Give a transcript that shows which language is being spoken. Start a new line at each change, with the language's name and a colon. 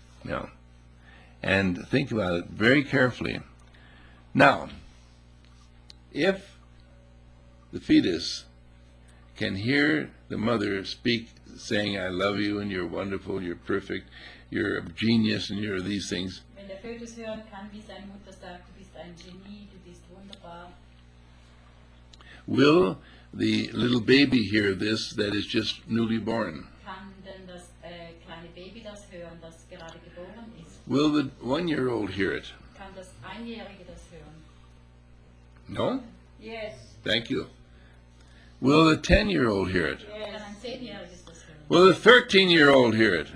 English: You know, and think about it very carefully. Now, if the fetus can hear the mother speak, saying, I love you and you're wonderful, you're perfect, you're a genius and you're these things.
German: Wenn der Fetus hören kann, wie seine Mutter sagt, du bist ein Genie, du bist wunderbar.
English: Will the little baby hear this that is just newly born?
German: Kann denn das kleine Baby das hören, das gerade geboren ist?
English: Will the one-year-old hear it?
German: Kann das Einjährige das hören?
English: No? Yes. Thank you. Will the 10-year-old hear it? Yes. Will the 13-year-old hear it?